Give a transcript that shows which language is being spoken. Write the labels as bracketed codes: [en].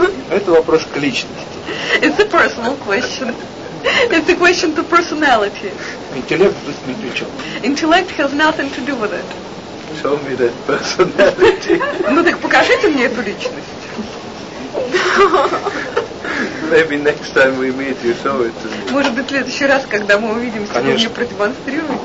[ru] Это вопрос к личности. [en] It's a personal question. It's a question to personality. [ru] Интеллект тут ни при чем. [en] Intellect has nothing to do with it. Show me that personality. [ru] Ну так покажите мне эту личность. [en] Maybe next time we meet, you show it to me. [ru] Может быть, в следующий раз, когда мы увидимся, вы мне продемонстрируете.